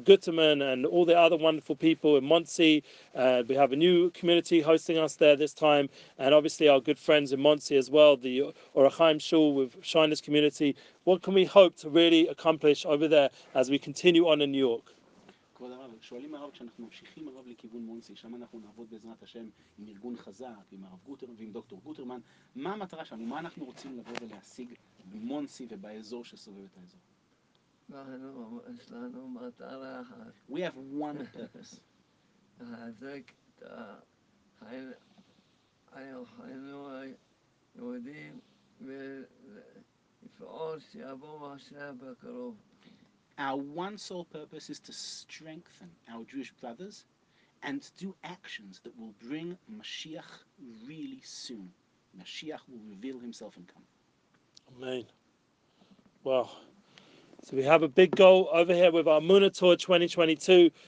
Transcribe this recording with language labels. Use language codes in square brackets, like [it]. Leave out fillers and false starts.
[en] Gutterman and all the other wonderful people in Monsey? We have a new community hosting us there this time. And obviously our good friends in Monsey as well, the Orachaim Shul with Shiner's community. What can we hope to really accomplish over there as we continue on in New York? [he] שואלים הרב, כשאנחנו ממשיכים הרב לכיוון מונסי, שם אנחנו נעבוד בעזרת השם עם ארגון חזק, עם הרב גוטרמן ועם דוקטור גוטרמן, מה המטרה שלנו, מה אנחנו רוצים לבוא ולהשיג במונסי ובאזור שסובב את האזור? לנו, יש לנו מטרה אחת. [en] We have one purpose. [he] להחזק את היינו היהודים ולפעול שיבוא משיח בקרוב. [en] Our one sole purpose is to strengthen our Jewish brothers and to do actions that will bring Mashiach really soon. Mashiach will reveal himself and come. Amen. Wow. So we have a big goal over here with our Muna Tour 2022.